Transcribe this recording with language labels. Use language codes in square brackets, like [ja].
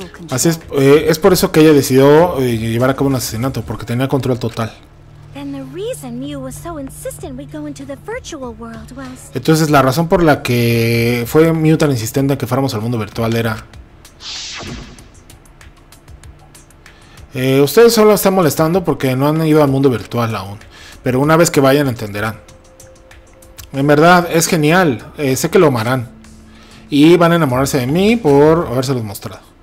[es] Así es por eso que ella decidió llevar a cabo un asesinato, porque tenía control total. [en] reason Mew was so insistent we go into the virtual world was. [es] Entonces la razón por la que fue Mew tan insistente en que fuéramos al mundo virtual era. Ustedes solo están molestando porque no han ido al mundo virtual aún. Pero una vez que vayan entenderán. En verdad es genial. Sé que lo amarán. Y van a enamorarse de mí por habérselos mostrado.